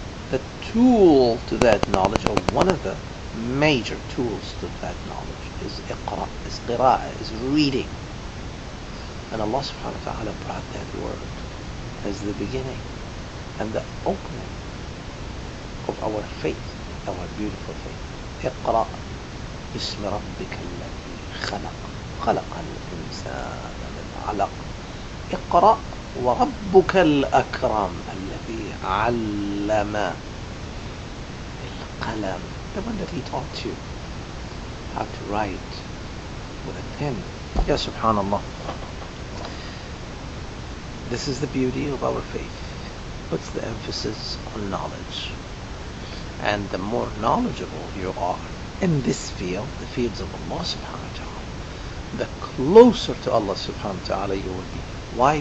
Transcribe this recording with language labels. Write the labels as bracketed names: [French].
[English] The tool to that knowledge, or one of the major tools to that knowledge, is Iqra', is Qira'a, is reading. And Allah subhanahu wa ta'ala brought that word as the beginning and the opening of our faith, our beautiful faith. [Arabic] اقرأ بسم ربك الذي خلق خلق الإنسان من علق اقرأ وربك الأكرم الذي علم القلم. [English] The one that he taught you how to write with a pen. Ya subhanallah. This is the beauty of our faith. Puts the emphasis on knowledge. And the more knowledgeable you are in this field, the fields of Allah subhanahu wa ta'ala, the closer to Allah subhanahu wa ta'ala you will be. Why?